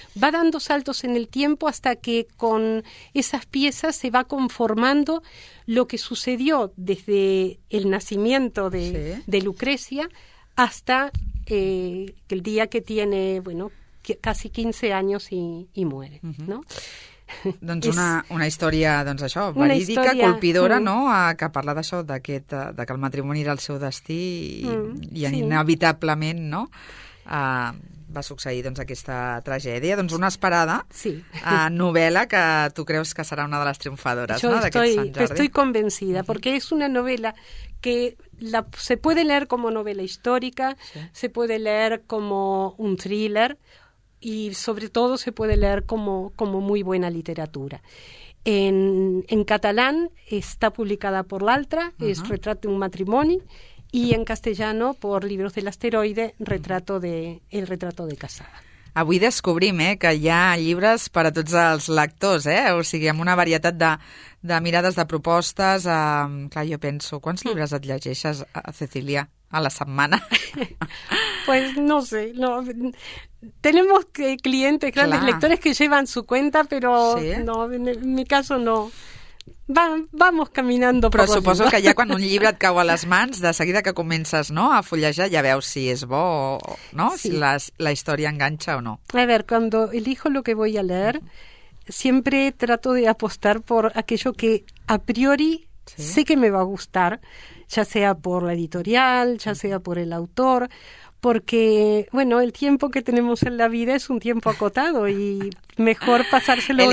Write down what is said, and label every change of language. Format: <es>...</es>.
<es>va dando saltos en el tiempo hasta que con esas piezas se va conformando lo que sucedió desde el nacimiento de Lucrecia hasta el día que tiene, bueno, casi 15 años y muere, ¿no?</es> <ca>Doncs una història, doncs això, verídica, història, colpidora, no? Que parla d'això, de que el matrimoni era el seu destí i inevitablement, no? Va succeir doncs, aquesta tragèdia. Doncs una esperada novel·la que tu creus que serà una de les triomfadores, no, d'aquest Sant Jordi.</ca> <es>Estoy convencida, porque es una novel·la que se puede leer como novela histórica, se puede leer como un thriller y sobre todo se puede leer como muy buena literatura. En catalán está publicada por L'Altra, es Retrato de un matrimonio, y en castellano, por Libros del Asteroide, el retrato de casada.</es> <ca>Avui descobrim que hi ha llibres per a tots els lectors, o sigui, amb una varietat de mirades, de propostes. Clar, jo penso, quants llibres et llegeixes, a Cecília, a la setmana?</ca> <es>Pues no sé, no. Tenemos clientes, grandes lectores que llevan su cuenta, pero no, en mi caso no. Vamos caminando.</es> <ca>Però suposo que ja quan un llibre et cau a les mans, de seguida que comences, no, a fullejar, ja veus si és bo o no, si la història enganxa o no.</ca> <es>A ver, cuando elijo lo que voy a leer, siempre trato de apostar por aquello que a priori sé que me va a gustar, ya sea por la editorial, ya sea por el autor, porque, bueno, el tiempo que tenemos en la vida es un tiempo acotado y mejor pasárselo</es>